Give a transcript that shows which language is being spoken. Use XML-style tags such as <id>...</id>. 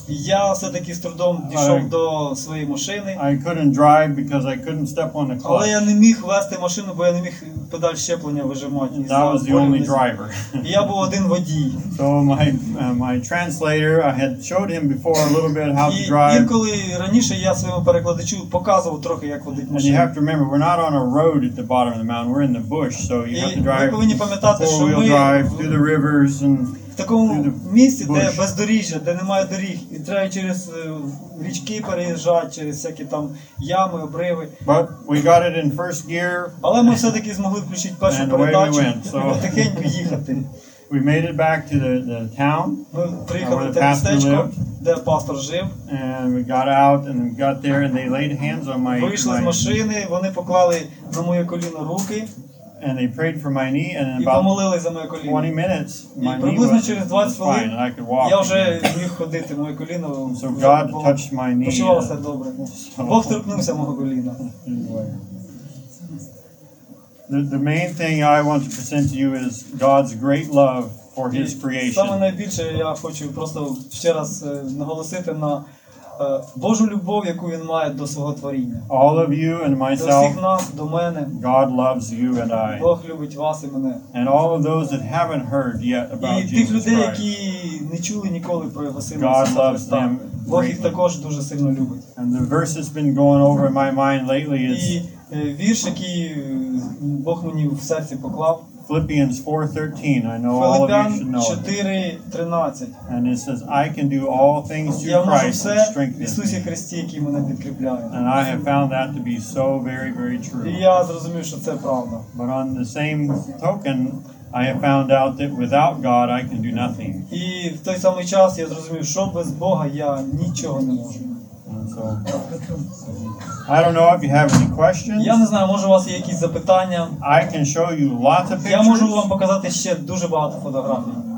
<uk>Я все-таки з трудом дійшов до своєї машини.</uk> <en>I couldn't drive because I couldn't step on the clutch.</en> <uk>Але я не міг вести машину, бо я не міг педаль щеплення вижимати.</uk> <en>And that was the only driver.</en> <uk>Я був один водій.</uk> <en>So my translator, I had showed him before a little bit how to drive.</en> <uk>І інколи раніше я своєму перекладачу показував трохи, як водити машину.</uk> <en>And you have to remember, we're not on a road at the bottom of the mountain. We're in the bush, so you have to drive.</en> <uk>І ви повинні пам'ятати, що ми</uk> <en>four-wheel drive through the rivers and</en> <uk>в такому місці, де бездоріжжя, де немає доріг, і треба через річки переїжджати, через всякі там ями, обриви.</uk> <en>But we got it in first gear.</en> <uk>Але ми все-таки змогли включити першу передачу</uk> <en>and</en> <uk>і потихеньку їхати.</uk> <en>We made it back to the town.</en> <uk>Ми приїхали до містечка, де пастор жив.</uk> <en>And we got out and got there and they laid hands on my</en> <uk>вийшли з машини, вони поклали на моє коліно руки.</uk> <en>And they prayed for my knee and about 20 minutes my knee was fine and I could walk.</en> <uk>Я вже міг ходити, моє коліно.</uk> <en>So God touched my knee.</en> <uk>Почувався добре. Бог торкнувся мого коліна.</uk> <en>The main thing I want to present to you is God's great love for his creation.</en> <uk>Саме найбільше я хочу просто ще раз наголосити на Божу любов, яку він має до свого творіння.</uk> <en>All of you and myself.</en> <uk>До всіх нас, до мене.</uk> <en>God loves you and I.</en> <uk>Бог любить вас і мене.</uk> <en>And all of those that haven't heard yet about Jesus.</en> <uk>І тих людей, які не чули ніколи про його сина.</uk> <en>God loves them.</en> <uk>Бог їх також дуже сильно любить.</uk> <en>And the verse has been going over my mind lately is</en> <uk>вірш, який Бог мені в серці поклав.</uk> <en>Philippians 4:13. I know all of you should know. Philippians 4:13. And it says, I can do all things through Christ who strengthens me.</en> <uk>Христі, який мене підкріпляє.</uk> <en>And I have found that to be so very, very true.</en> <uk>Я зрозумів, що це правда.</uk> <en>But on the same token, I have found out that without God I can do nothing.</en> <uk>І в той самий час я зрозумів, що без Бога я нічого не можу.</uk> <en>I don't know if you have any questions.</en> <uk>Я не знаю, може у вас є якісь запитання.</uk> <en>I can show you lots of pictures.</en> <uk>Я можу вам показати ще дуже багато фотографій.</uk>